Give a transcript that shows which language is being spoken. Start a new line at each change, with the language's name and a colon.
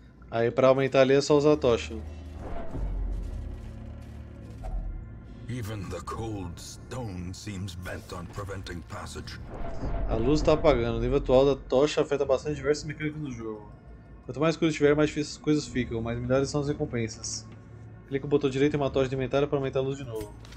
Portuguese: Aí pra aumentar ali é só usar a tocha.
English: Even the cold stone seems bent on preventing passage.
Portuguese: A luz está apagando. O nível atual da tocha afeta bastante diversas mecânicas do jogo. Quanto mais coisas tiver, mais difíceis as coisas ficam, mas melhores são as recompensas. Clique o botão direito em uma tocha de inventário para aumentar a luz de novo.